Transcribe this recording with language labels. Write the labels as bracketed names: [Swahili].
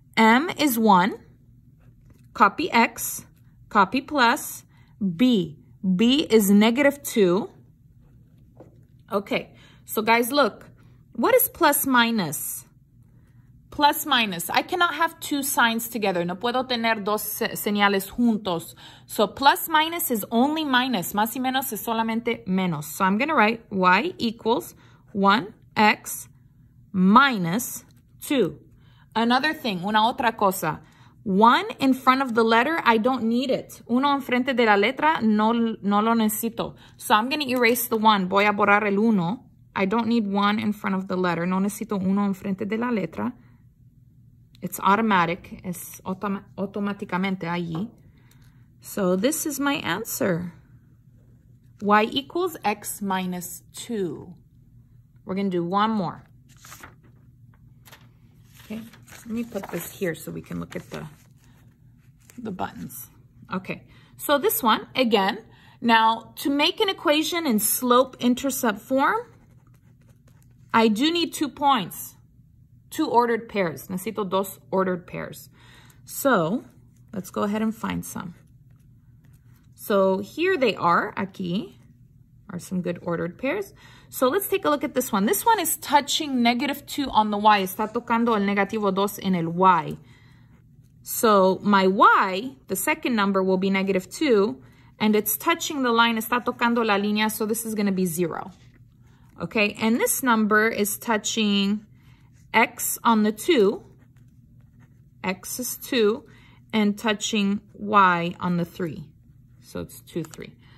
[English] M is 1. Copy x. Copy plus b. B is negative 2. Okay, so guys, look. What is plus minus? plus minus. I cannot have two signs together. [Spanish] No puedo tener dos señales juntos. [English] So plus minus is only minus. [Spanish] Más y menos es solamente menos. [English] So I'm going to write y equals 1x minus 2. Another thing, [Spanish] una otra cosa. [English] One in front of the letter, I don't need it. [Spanish] Uno enfrente de la letra, no lo necesito. [English] So I'm going to erase the one. [Spanish] Voy a borrar el uno. [English] I don't need one in front of the letter. [Spanish] No necesito uno enfrente de la letra. [English] It's automatic. [Spanish] Es automáticamente allí. [English] So this is my answer. Y equals x minus 2. We're going to do one more. Okay. Let me put this here so we can look at the buttons. Okay. So this one, again. Now, to make an equation in slope-intercept form, I do need 2 points, two ordered pairs. [Spanish] Necesito dos [English] ordered pairs. So let's go ahead and find some. So here they are, aquí, are some good ordered pairs. So let's take a look at this one. This one is touching negative 2 on the y. [Spanish] Está tocando el negativo 2 en el y. [English] So my y, the second number, will be negative 2. And it's touching the line. [Spanish] Está tocando la línea. [English] So this is going to be 0. Okay, and this number is touching x on the 2, x is 2, and touching y on the 3, so it's 2, 3.